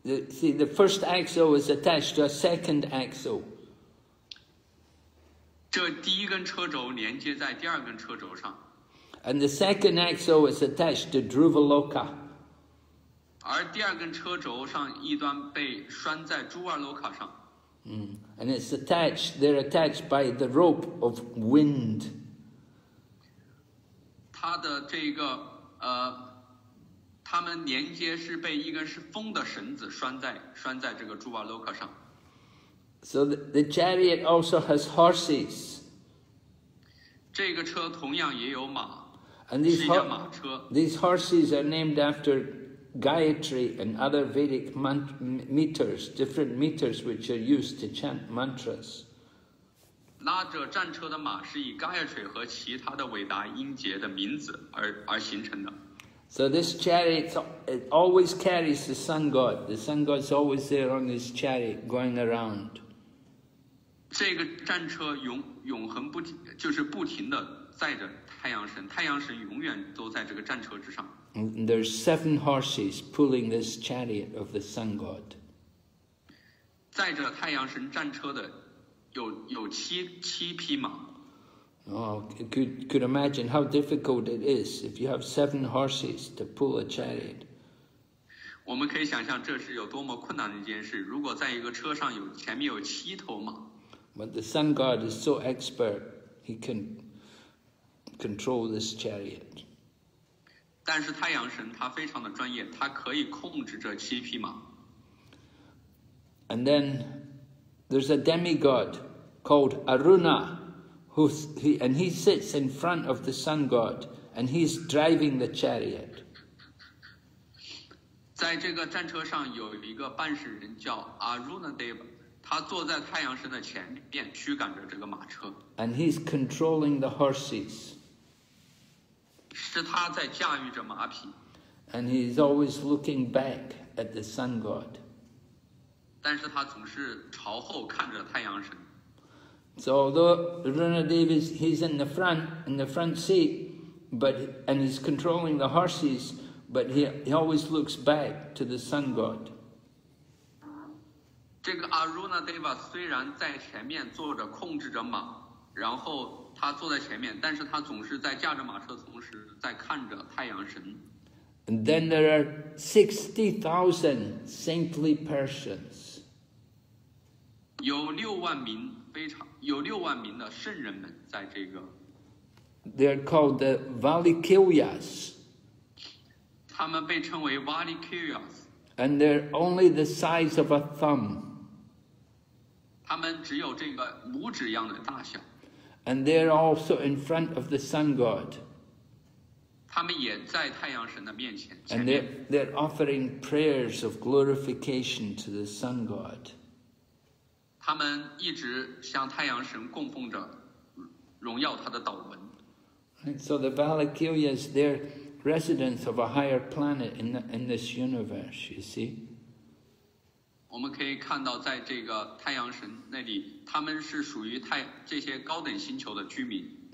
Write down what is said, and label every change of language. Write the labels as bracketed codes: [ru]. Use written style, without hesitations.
[en] See, the first axle is attached to a second axle. [zh] 这第一根车轴连接在第二根车轴上。 [en] And the second axle is attached to Dhruva Loka. [zh] 而第二根车轴上一端被拴在朱瓦罗卡上。 [en] And it's attached, they're attached by the rope of wind. [zh] 它的这个他们连接是被一根是风的绳子拴在这个朱瓦罗卡上。 [en] So the chariot also has horses. [zh] 这个车同样也有马。 [en] And these, [zh] 是一辆马车。 [en] These horses are named after Gayatri and other Vedic meters, different meters which are used to chant mantras. [zh] 拉着战车的马是以 Gayatri 和其他的伟大音节的名字而形成的。 [en] So this chariot, it always carries the sun god. The sun god's always there on his chariot, going around. [zh] 这个战车永恒不停，就是不停地载着太阳神，太阳神永远都在这个战车之上。 [en] And there's seven horses pulling this chariot of the sun god. [zh] 载着太阳神战车的有七匹马。 [en] Oh, could imagine how difficult it is if you have seven horses to pull a chariot. [zh] 我们可以想象这是有多么困难的一件事，如果在一个车上有前面有七头马。 [en] But the sun god is so expert, he can control this chariot. [zh] 但是太阳神他非常的专业，他可以控制这七匹马。 [en] And then there's a demigod called Aruna, and he sits in front of the sun god, and he's driving the chariot. [zh] 在这个战车上有一个半神人叫 Arunadeva。他坐在太阳神的前面，驱赶着这个马车。 [en] And he's controlling the horses. [zh] 是他在驾驭着马匹。 [en] And he's always looking back at the sun god. [zh] 但是他总是朝后看着太阳神。 [en] So although Runadeva he's in the front seat, and he's controlling the horses, but he always looks back to the sun god. [zh] 这个 Arunadeva 虽然在前面坐着控制着马，然后他坐在前面，但是他总是在驾着马车，同时在看着太阳神。 [en] And then there are 60,000 saintly persons. [zh] 有六万名的圣人们在这个。 [en] They are called the Valikyas. [zh] 他们被称为 Valikyas. [en] And they're only the size of a thumb. [zh] 他们只有这个拇指一样的大小。 [en] And they're also in front of the sun god. [zh] 他们也在太阳神的面前。 [en] And they're offering prayers of glorification to the sun god. [zh] 他们一直向太阳神供奉着荣耀他的祷文。 [en] And so the Valakyas, they're residents of a higher planet in this universe, you see. [zh] 我们可以看到在这个太阳神那里他们是属于这些高等星球的居民。